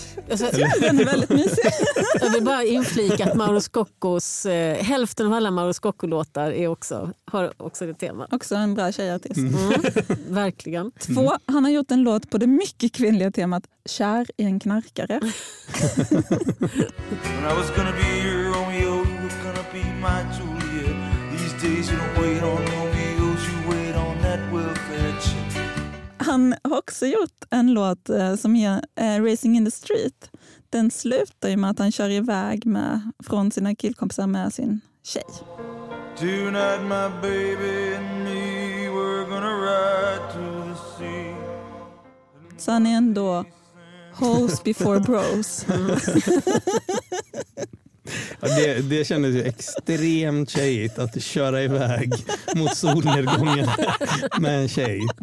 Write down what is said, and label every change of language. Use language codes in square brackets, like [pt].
[sv] Alltså, jag tror den är väldigt mysig. Jag vill bara inflika att Mauro Scoccos, hälften av alla Mauro Scocco-låtar är också, har också det tema. Också en bra tjejartist. Mm. Verkligen. Två, han har gjort en låt på det mycket kvinnliga temat Kär i en knarkare. [en] When I was gonna be your Romeo, you were gonna be my Juliet. These days you don't wait on Romeos, you wait on that will fetch. [sv] Han har också gjort en låt som är Racing in the Street. Den slutar ju med att han kör iväg med, från sina killkompisar med sin tjej. [en] Tonight my baby and me, we're gonna ride to the sea. [sv] Så han är ändå [en] hoes before bros. [sv] Ja, det kändes ju extremt tjejigt att köra iväg mot solnedgången med en tjej.